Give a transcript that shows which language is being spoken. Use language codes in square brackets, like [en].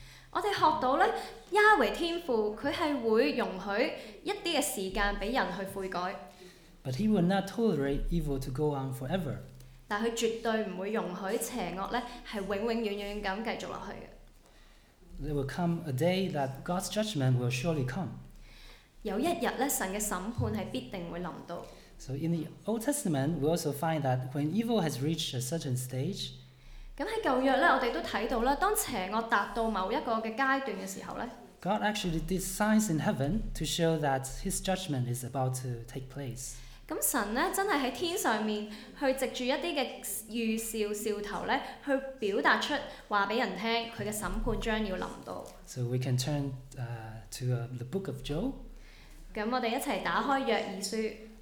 [yue] 我哋學到咧，耶和天父佢係會容許一啲嘅時間俾人去悔改。 [en] But He will not tolerate evil to go on forever. [yue] 但佢絕對唔會容許邪惡咧係永永遠遠咁繼續落去。 [en] There will come a day that God's judgment will surely come. [yue] 有一日咧，神嘅審判係必定會臨到。 [en] So in the Old Testament, we also find that when evil has reached a certain stage. [yue] 咁喺舊約咧，我哋都睇到啦，當邪惡達到某一個嘅階段嘅時候咧 [en] ，God actually did signs in heaven to show that His judgment is about to take place. [yue] 咁神咧真係喺天上面去藉住一啲嘅預兆兆頭咧，去表達出話俾人聽，佢嘅審判將要臨到。 [en] So we can turn to the book of Joel. [yue] 咁我哋一齊打開約珥書。